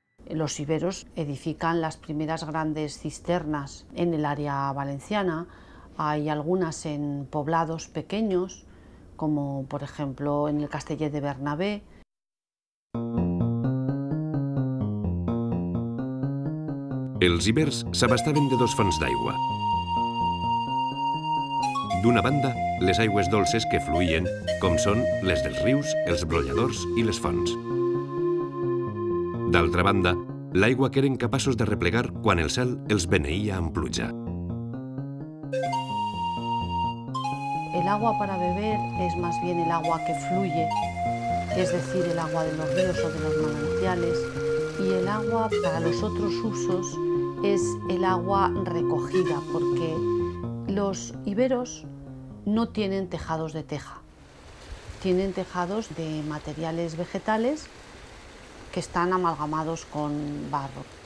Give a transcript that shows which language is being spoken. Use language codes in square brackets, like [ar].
[es] Los iberos edifican las primeras grandes cisternas en el área valenciana. Hay algunas en poblados pequeños, como por ejemplo en el Castellet de Bernabé. [ca] Els ibers s'abastaven de dos fonts d'aigua. D'una banda, les aigües dolces que fluïen, com són les dels rius, els brolladors i les fonts. D'altra banda, l'aigua que eren capaços de replegar quan el cel els beneïa amb pluja. [es] El agua para beber es más bien el agua que fluye, es decir, el agua de los ríos o de los manantiales, y el agua para los otros usos es el agua recogida, porque los iberos no tienen tejados de teja, tienen tejados de materiales vegetales que están amalgamados con barro.